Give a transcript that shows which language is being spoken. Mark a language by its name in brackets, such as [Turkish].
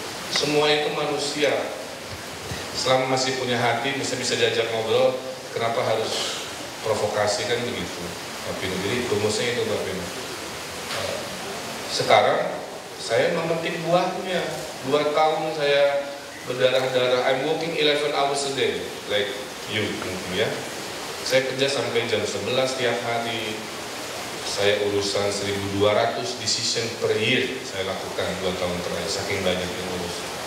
[Indonesian] Semua itu manusia. Selama masih punya hati, bisa-bisa diajak ngobrol. Kenapa harus provokasi kan begitu, tapi jadi rumusnya itu tapi sekarang saya memetik buahnya. 2 tahun saya berdarah-darah. [English] I'm working 11 hours a day like you [Indonesian] mungkin ya. Saya kerja sampai jam 11 tiap hari. Saya urusan 1.200 [English] decision per year [Indonesian] saya lakukan 2 tahun terakhir. Saking banyak yang urus.